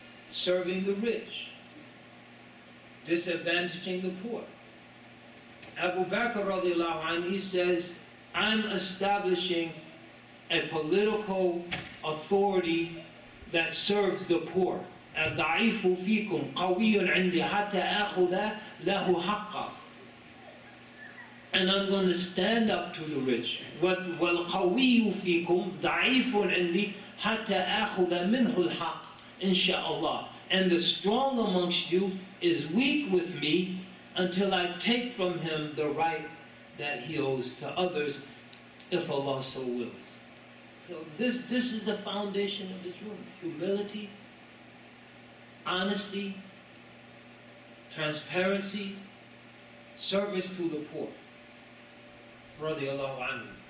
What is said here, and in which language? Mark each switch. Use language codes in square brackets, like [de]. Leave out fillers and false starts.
[en] Serving the rich. Disadvantaging the poor. Abu Bakr radiallahu anhu, he says, I'm establishing a political authority that serves the poor. [ar] الضعيفُ فيكم قويٌ عندي حتى أخذ له حقا. [en] And I'm going to stand up to the rich. [ar] وَالْقَوِيُّ فِيكُمْ ضَعِيفٌ عِنْدِي حَتَّى أَخُذَ مِنْهُ الْحَقِّ Inshallah. [en] And the strong amongst you is weak with me until I take from him the right that he owes to others, if Allah so wills. So this is the foundation of Islam. Humility, honesty, transparency, service to the poor. Radiallahu anhu.